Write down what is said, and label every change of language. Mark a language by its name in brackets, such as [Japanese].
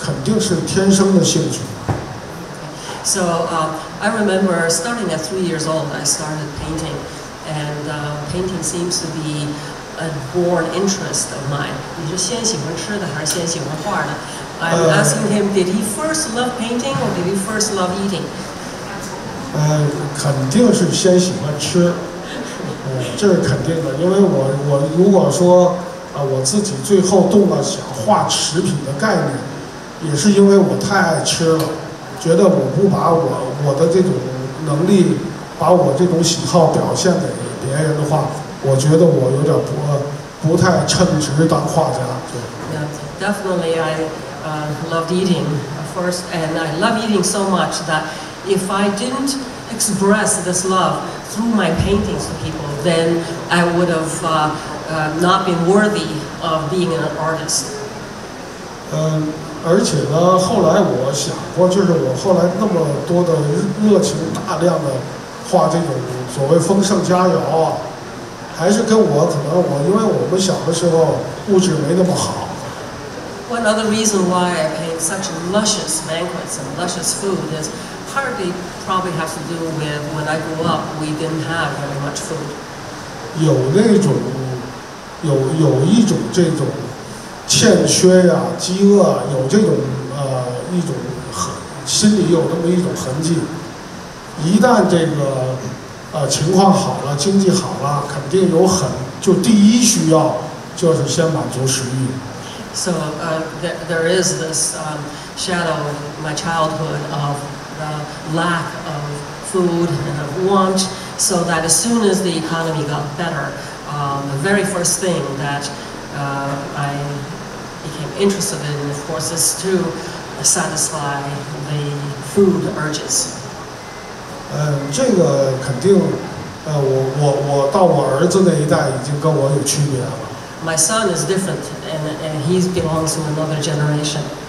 [Chinese] 先问你就是小时候的一些经历，简单点。就是简单说啊，就是首先，我记得我好像就是很三岁吧就开始画画了，就是等于绘画对我来说是一个肯定是天生的兴趣。So [English] I remember starting at 3 years old, I started painting, and painting seems to be a born interest of mine. [Chinese] 你是先喜欢吃的还是先喜欢画的? [English] I'm asking him, did he first love painting or did he first love eating? [Chinese] 肯定是先喜欢吃，这是肯定的。因为我如果说我自己最后动了想画食品的概念，也是因为我太爱吃了，觉得我不把我的这种能力，把我这种喜好表现给别人的话。我觉得我有点不太称职当画家。 [English] Yeah, definitely I loved eating first, and I love eating so much that if I didn't express this love through my paintings to people, then I would have not been worthy of being an artist. [Chinese] 而且呢，后来我想过，就是我后来那么多的热情，大量的画这种所谓丰盛佳肴啊，还是跟我可能我因为我们小的时候物质没那么好。 [English] One other reason why I paint such luscious banquets and luscious food is partly probably has to do with when I grew up, we didn't have very much food. [Chinese] 有那种，有一种这种。欠缺呀、啊，饥饿、啊，有这种一种痕，心里有那么一种痕迹。一旦这个情况好了，经济好了，肯定有很就第一需要就是先满足食欲。 [English] So there is this shadow of my childhood of the lack of food and of want. So that as soon as the economy got better, the very first thing that I became interested in, of course, is to satisfy the food urges. [Chinese] 这个肯定，我到我儿子那一代已经跟我有区别了。 [English] My son is different, and he belongs to another generation.